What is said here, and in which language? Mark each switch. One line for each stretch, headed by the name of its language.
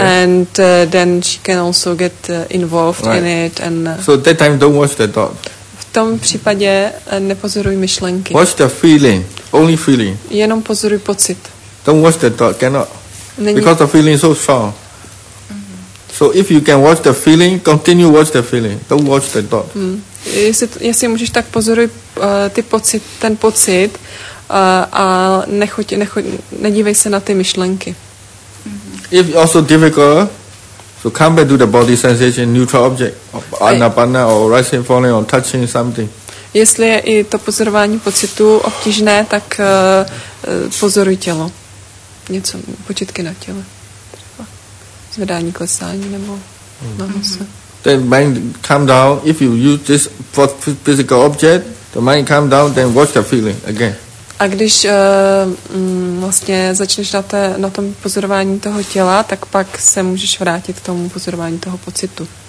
English: And then she can also get involved right. in it. And so that time don't watch the thought.
Czech: V tom případě nepozoruj myšlenky.
English: Watch the feeling, only feeling.
Czech: Jenom pozoruj pocit.
English: Don't watch the thought, cannot.
Czech: Není.
English: Because the feeling is so strong. Mm-hmm. So if you can watch the feeling, continue watch the feeling. Don't watch the thought.
Czech: jestli můžeš, tak pozoruj ten pocit a nechoď, nedívej se na ty myšlenky.
English: If also difficult, so come back to the body sensation, neutral object, anapana or rising, falling or touching something.
Czech: Jestli je i to pozorování pocitu obtížné, tak pozoruj tělo. Něco, počítky na těle. Zvedání, klesání nebo na nose.
English: Then mind calm down. If you use this physical object, the mind calm down, then watch the feeling again.
Czech: A když vlastně začneš na tom pozorování toho těla, tak pak se můžeš vrátit k tomu pozorování toho pocitu.